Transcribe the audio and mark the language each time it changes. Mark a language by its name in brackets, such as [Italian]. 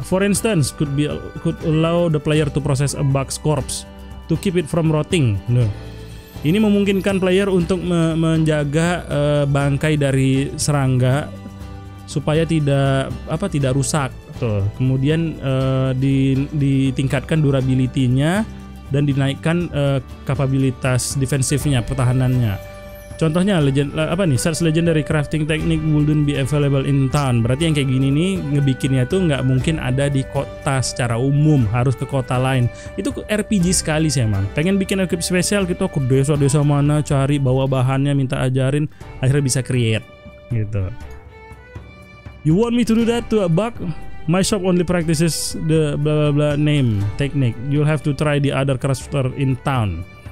[English] For instance, could allow the player to process a bug's corpse to keep it from rotting. [Indonesian] Nah, ini memungkinkan player untuk menjaga bangkai dari serangga supaya tidak rusak tuh. Kemudian ditingkatkan durability-nya dan dinaikkan kapabilitas defensifnya, pertahanannya. Contohnya [English] such legendary crafting technique wouldn't be available in town. [Indonesian] Berarti yang kayak gini nih ngebikinnya tuh nggak mungkin ada di kota secara umum, harus ke kota lain. Itu RPG sekali sih emang. Pengen bikin equip spesial gitu, ke desa-desa mana cari bawa bahannya, minta ajarin, akhirnya bisa create gitu. [English] You want me to do that to a bug? My shop only practices the blah blah blah name technique. You'll have to try the other crafter in town.